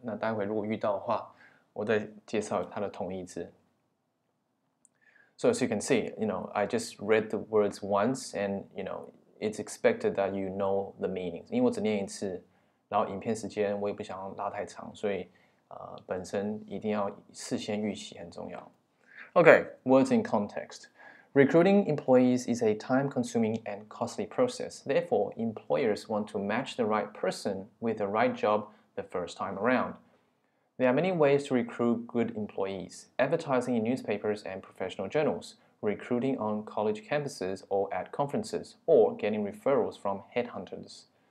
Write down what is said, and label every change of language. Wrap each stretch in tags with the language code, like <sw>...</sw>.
<zh>那待会如果遇到的话，我再介绍它的同义字。</zh> <en>So as you can see, you know, I just read the words once, and you know, it's expected that you know the meaning.</en> <zh>因为我只念一次，然后影片时间我也不想拉太长，所以本身一定要事先预习很重要。</zh> <en>OK, words in context. Recruiting employees is a time-consuming and costly process. Therefore, employers want to match the right person with the right job the first time around. There are many ways to recruit good employees: advertising in newspapers and professional journals, recruiting on college campuses or at conferences, or getting referrals from headhunters.</en>